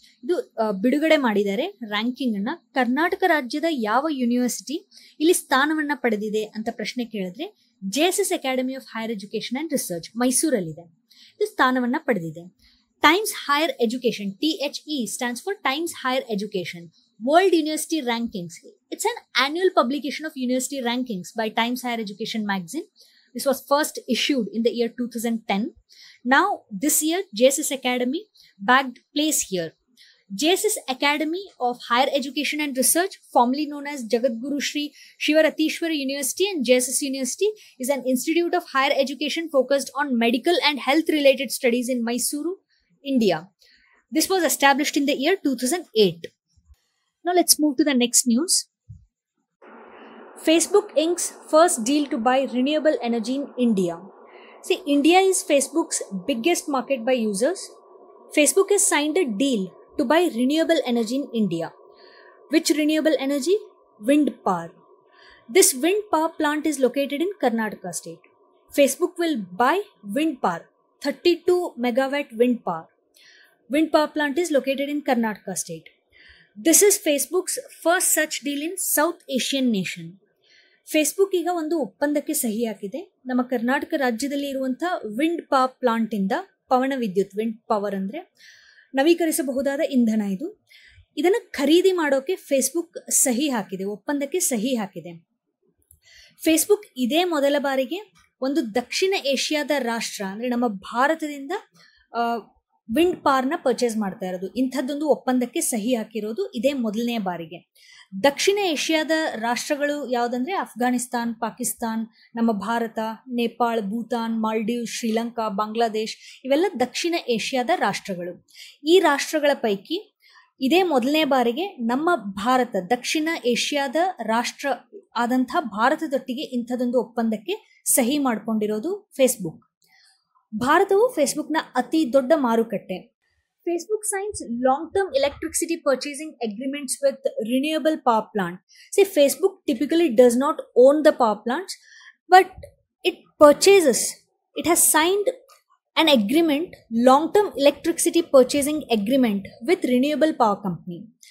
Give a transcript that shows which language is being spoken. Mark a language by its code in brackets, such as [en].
[kn] ಇದು ಬಿಡುಗಡೆ ಮಾಡಿದ್ದಾರೆ ರ್ಯಾಂಕಿಂಗ್ ಅನ್ನ. ಕರ್ನಾಟಕ ರಾಜ್ಯದ ಯಾವ ಯೂನಿವರ್ಸಿಟಿ ಇಲ್ಲಿ ಸ್ಥಾನವನ್ನ ಪಡೆದಿದೆ ಅಂತ ಪ್ರಶ್ನೆ ಕೇಳಿದ್ರೆ, JSS academy of higher education and research ಮೈಸೂರಲ್ಲಿದೆ, ಇದು ಸ್ಥಾನವನ್ನ ಪಡೆದಿದೆ. [en] Times Higher Education, THE stands for Times Higher Education World University Rankings. It's an annual publication of university rankings by Times Higher Education magazine. This was first issued in the year 2010. Now, this year, JSS Academy bagged place here. JSS Academy of Higher Education and Research, formerly known as Jagadguru Sri Shivaratishwara University and JSS University, is an institute of higher education focused on medical and health-related studies in Mysuru, India. This was established in the year 2008. Now, let's move to the next news. Facebook Inc.'s first deal to buy renewable energy in India. See, India is Facebook's biggest market by users. Facebook has signed a deal to buy renewable energy in India. Which renewable energy? Wind power. This wind power plant is located in Karnataka state. Facebook will buy wind power, 32 megawatt wind power. Wind power plant is located in Karnataka state. This is Facebook's first such deal in South Asian nation. [kn] Facebook ಈಗ ಒಂದು ಒಪ್ಪಂದಕ್ಕೆ ಸಹಿ ಹಾಕಿದೆ ನಮ್ಮ ಕರ್ನಾಟಕ ರಾಜ್ಯದಲ್ಲಿ ಇರುವಂಥ wind power ಪ್ಲಾಂಟಿಂದ. ಪವನ ವಿದ್ಯುತ್, wind power ಅಂದರೆ ನವೀಕರಿಸಬಹುದಾದ ಇಂಧನ ಇದು. ಇದನ್ನು ಖರೀದಿ ಮಾಡೋಕ್ಕೆ ಫೇಸ್ಬುಕ್ ಸಹಿ ಹಾಕಿದೆ, ಒಪ್ಪಂದಕ್ಕೆ ಸಹಿ ಹಾಕಿದೆ. ಫೇಸ್ಬುಕ್ ಇದೇ ಮೊದಲ ಬಾರಿಗೆ ಒಂದು ದಕ್ಷಿಣ ಏಷ್ಯಾದ ರಾಷ್ಟ್ರ ಅಂದರೆ ನಮ್ಮ ಭಾರತದಿಂದ ವಿಂಡ್ ಪವರ್ನ ಪರ್ಚೇಸ್ ಮಾಡ್ತಾ ಇರೋದು, ಇಂಥದ್ದೊಂದು ಒಪ್ಪಂದಕ್ಕೆ ಸಹಿ ಹಾಕಿರೋದು ಇದೇ ಮೊದಲನೇ ಬಾರಿಗೆ. ದಕ್ಷಿಣ ಏಷ್ಯಾದ ರಾಷ್ಟ್ರಗಳು ಯಾವುದಂದ್ರೆ ಅಫ್ಘಾನಿಸ್ತಾನ್, ಪಾಕಿಸ್ತಾನ್, ನಮ್ಮ ಭಾರತ, ನೇಪಾಳ, ಭೂತಾನ್, ಮಾಲ್ಡೀವ್, ಶ್ರೀಲಂಕಾ, ಬಾಂಗ್ಲಾದೇಶ್, ಇವೆಲ್ಲ ದಕ್ಷಿಣ ಏಷ್ಯಾದ ರಾಷ್ಟ್ರಗಳು. ಈ ರಾಷ್ಟ್ರಗಳ ಪೈಕಿ ಇದೇ ಮೊದಲನೇ ಬಾರಿಗೆ ನಮ್ಮ ಭಾರತ, ದಕ್ಷಿಣ ಏಷ್ಯಾದ ರಾಷ್ಟ್ರ ಆದಂಥ ಭಾರತದೊಟ್ಟಿಗೆ ಇಂಥದ್ದೊಂದು ಒಪ್ಪಂದಕ್ಕೆ ಸಹಿ ಮಾಡಿಕೊಂಡಿರೋದು ಫೇಸ್ಬುಕ್. ಭಾರತವು ಫೇಸ್ಬುಕ್ನ ಅತಿ ದೊಡ್ಡ ಮಾರುಕಟ್ಟೆ. [en] Facebook signs long-term electricity purchasing agreements with renewable power plant. See, Facebook typically does not own the power plants, but it purchases. It has signed an agreement, long-term electricity purchasing agreement with renewable power company.